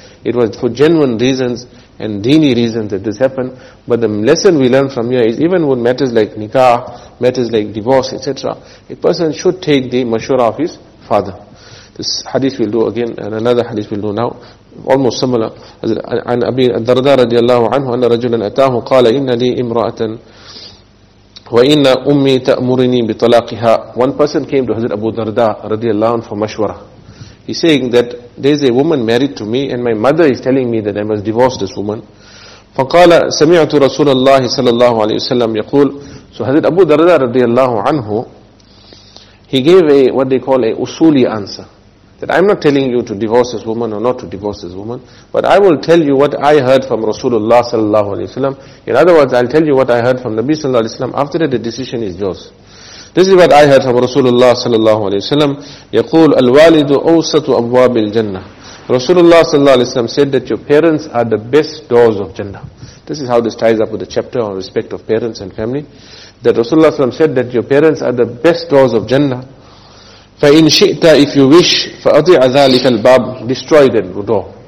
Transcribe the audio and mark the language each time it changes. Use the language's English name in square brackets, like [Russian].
[English] It was for genuine reasons and dini reasons that this happened. But the lesson we learn from here is, even with matters like nikah, matters like divorce, etc., a person should take the mashura of his father. This hadith we'll do again, and another hadith we'll do now. Almost similar. [Arabic] عن أبي الدرداء رضي الله عنه أن رجلا أتاه قال إن لي امرأة وإن أمي تأمرني بطلاقها. [English] One person came to Hazrat Abu Darda [Arabic] رضي الله عنه [English] for mashwara. He's saying that there's a woman married to me and my mother is telling me that I must divorce this woman. [Arabic] فقال سمعت رسول الله صلى الله عليه وسلم يقول. [English] So Hazrat Abu Darda [Arabic] رضي الله عنه, [English] he gave what they call a usuli answer. That I'm not telling you to divorce this woman or not to divorce this woman, but I will tell you what I heard from Rasulullah sallallahu alayhi wa sallam. In other words, I'll tell you what I heard from Nabi sallallahu alayhi wa sallam. After that, the decision is yours. This is what I heard from Rasulullah sallallahu alayhi wa sallam. [Arabic] يقول الوالد أوسط أبواب الجنة. [English] Rasulullah sallallahu alayhi wa sallam said that your parents are the best doors of Jannah. This is how this ties up with the chapter on respect of parents and family. That Rasulullah sallallahu alayhi wa sallam said that your parents are the best doors of Jannah. [Arabic] فَإِنْ شِئْتَ [English] if you wish, [Arabic] فَأَضِعَ ذَلِكَ الْبَابِ [English] destroy that door.